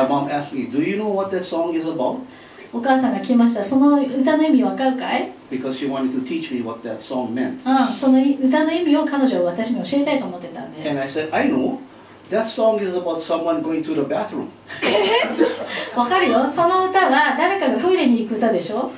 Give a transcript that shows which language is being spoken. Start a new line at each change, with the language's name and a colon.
English: And my mom asked me, "Do you know what that song is about?"
Japanese: お母さんが聞きました。その歌の意味わかるかい
English: ？Because she wanted to teach me what that song meant.
Japanese: その歌の意味を彼女は私に教えたいと思ってたんです。
English: And I said, "I know. That song is about someone going to the bathroom."
Japanese: わかるよ。その歌は誰かがトイレに行く歌でしょ